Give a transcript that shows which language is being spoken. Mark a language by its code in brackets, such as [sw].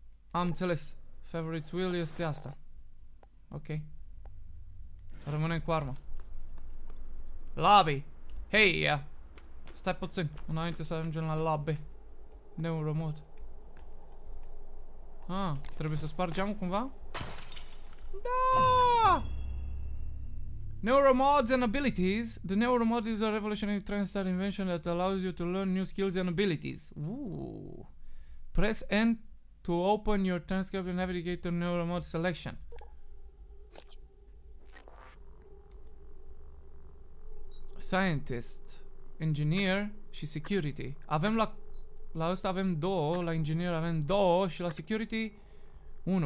[ro] Am înțeles. Favorite's wheel este asta. Ok. Rămânem cu armă. Lobby. [en] Hey, yeah. [ro] Stai puțin, înainte să ajungem la lobby. [en] New remote. [ro] Trebuie să spar geamul cumva? Da! [en] Neuromods and abilities. The neuromod is a revolutionary trans-star invention that allows you to learn new skills and abilities. Ooh. Press N to open your transcript and navigate to neuromod selection. Scientist, engineer și security. [ro] Avem la ăsta avem două, la engineer avem două și la security unu.